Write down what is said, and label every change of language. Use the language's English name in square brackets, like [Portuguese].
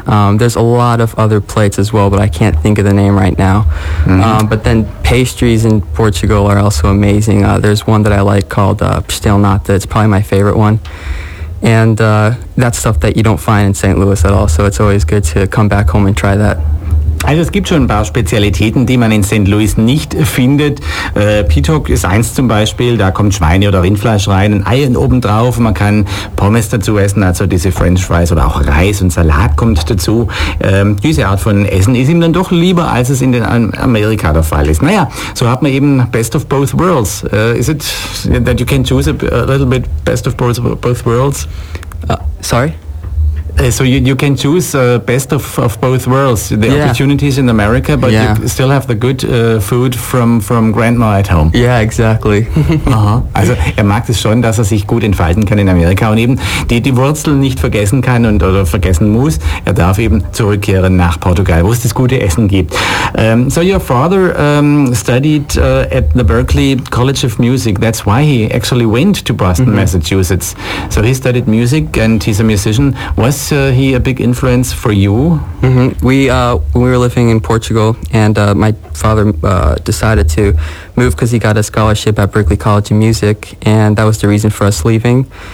[English] There's a lot of other plates as well, but I can't think of the name right now. Mm-hmm. But then pastries in Portugal are also amazing. There's one that I like called pastel nata. It's probably my favorite one. And that's stuff that you don't find in St. Louis at all. So it's always good to come back home and try that. [German] Also es gibt schon ein paar Spezialitäten, die man in St. Louis nicht findet. Pitok ist eins zum Beispiel, da kommt Schweine- oder Rindfleisch rein, ein Ei oben drauf, man kann Pommes dazu essen, also diese French Fries oder auch Reis und Salat kommt dazu. Diese Art von Essen ist ihm dann doch lieber, als es in den Amerika der Fall ist. Naja, so hat man eben [English] Best of Both Worlds. Is it that you can choose a little bit Best of Both Worlds? Sorry? So you can choose best of both worlds, the yeah. opportunities in America, but yeah. you still have the good food from grandma at home. Yeah, exactly. Uh-huh. [German] Also er mag es schon, dass er sich gut entfalten kann in Amerika und eben die Wurzeln nicht vergessen kann und oder vergessen muss. Er darf eben zurückkehren nach Portugal, wo es das gute Essen gibt. [English] So your father studied at the Berklee College of Music. That's why he actually went to Boston, mm-hmm. Massachusetts. So he studied music and he's a musician. Was he a big influence for you? Mm-hmm. We were living in Portugal, and my father decided to move because he got a scholarship at Berklee College of Music, and that was the reason for us leaving.